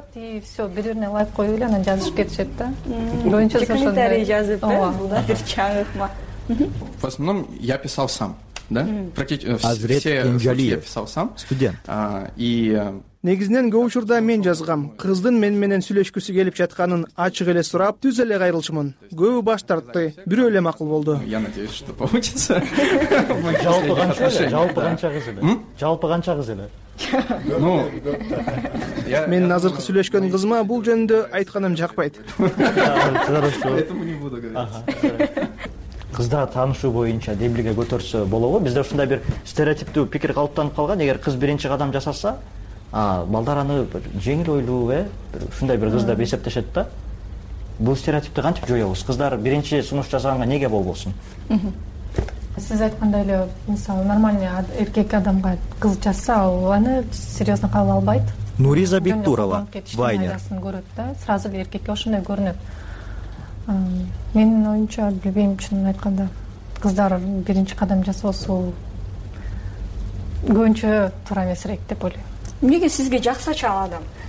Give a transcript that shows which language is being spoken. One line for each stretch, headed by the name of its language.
Russian: И все,
Kyrgyz: бир бирине лайк коюп эле анан жазышып кетишет да. Боюнча комментарий жазып да, бир чагыкма.
Russian: В основном я писал сам, да? Все я писал сам. Студент.
Kyrgyz: Негизинен көп учурда мен жазгам. Кыздын мен менен сүйлөшкүсү келип жатканын ачык эле сурап, түз эле кайрылчумун. Көбү баш тартты, бирөө эле макул болду.
Russian: Я надеюсь, что получится.
Kyrgyz: Жалпы канча кыз эле? Ну, мен азыркы сүйлөшкөн кызыма бул жөнүндө айтканым жакпайт.
Russian: Хорошо. Этому не буду говорить.
Kyrgyz: Кызда таанышуу боюнча демилге көтөрсө болобу? Бизде ушундай бир стереотиптүү пикир калыптанып калган. Эгер кыз биринчи кадам жасаса, балдар аны жеңил ойлуу, э, ушундай бир кыз деп эсептешет да. Бул стереотипти кантип жоебуз? Кыздар биринчи сунуш жасаганга неге болбосун? Сиз айткандай эле, мисалы, нормальный эркек адамга кыз жазса, ал аны серьезно кабыл албайт. Нуриза Бектурова, вайнер. Көрөт да, сразу эле эркекке ошондой көрүнөт. Менин оюмча, билбейм, чынын айтканда кыздар биринчи кадам жасоосу көбүнчө туура эмесирээк деп ойлойм. Эмнеге сизге жакса чал адам?